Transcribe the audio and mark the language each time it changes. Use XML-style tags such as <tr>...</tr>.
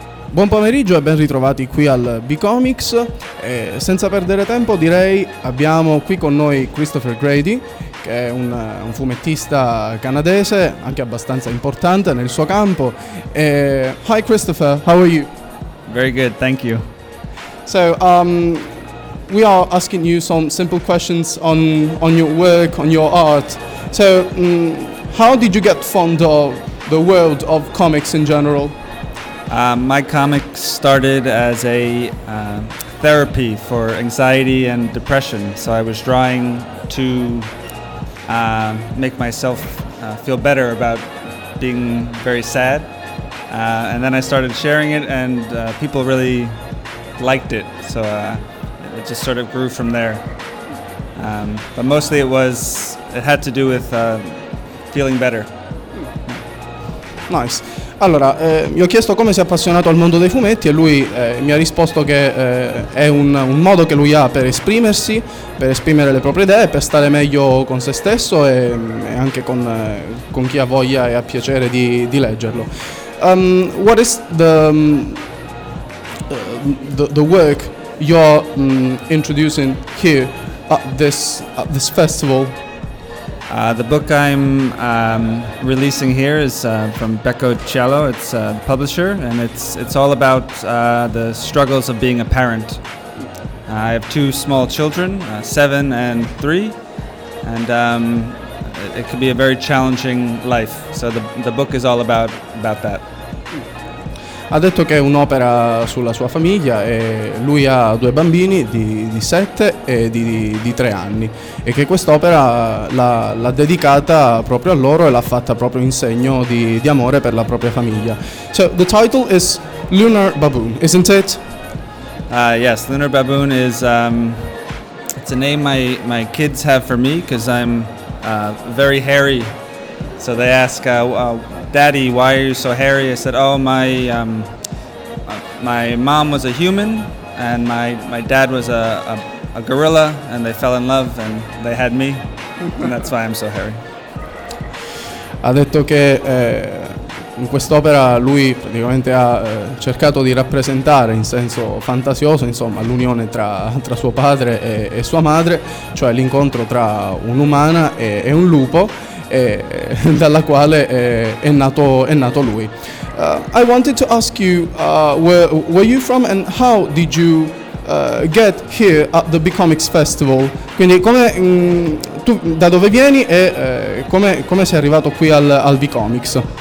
<it>Buon pomeriggio e ben ritrovati qui al B-Comics. Senza perdere tempo, direi, abbiamo qui con noi Christopher Grady, che è un fumettista canadese anche abbastanza importante nel suo campo.</it> <en>Hi Christopher, how are you? Very good, thank you. So we are asking you some simple questions on your work, on your art. So how did you get fond of the world of comics in general? My comics started as a therapy for anxiety and depression. So I was drawing to make myself feel better about being very sad. And then I started sharing it, and people really liked it. So it just sort of grew from there. But mostly it had to do with feeling better. Nice.</en> <it>Allora, gli ho chiesto come si è appassionato al mondo dei fumetti e lui mi ha risposto che è un modo che lui ha per esprimersi, per esprimere le proprie idee, per stare meglio con se stesso e anche con chi ha voglia e ha piacere di leggerlo.</it> <en>What is the work you're introducing here at this festival? The book I'm releasing here is from Becco Cello. It's a publisher, and it's all about the struggles of being a parent. I have two small children, 7 and 3, and it can be a very challenging life. So the book is all about that.</en> <it>Ha detto che è un'opera sulla sua famiglia e lui ha due bambini di 7 e di 3 anni e che quest'opera l'ha dedicata proprio a loro e l'ha fatta proprio in segno di amore per la propria famiglia.</it> <en>So the title is Lunar Baboon, isn't it? Yes, Lunar Baboon is it's a name my kids have for me because I'm very hairy. So they ask Daddy, why are you so hairy? I said, oh, my mom was a human and my dad was a gorilla and they fell in love and they had me and that's why I'm so hairy.</en> <it>Ha detto che in quest'opera lui praticamente ha cercato di rappresentare in senso fantasioso, insomma, l'unione tra suo padre e sua madre, cioè l'incontro tra un'umana e un lupo. Dalla quale è nato lui.</it> <en>I wanted to ask you where you from and how did you get here at the Becomics Festival?</en> <it>Quindi come tu da dove vieni e come sei arrivato qui al Becomics?</it>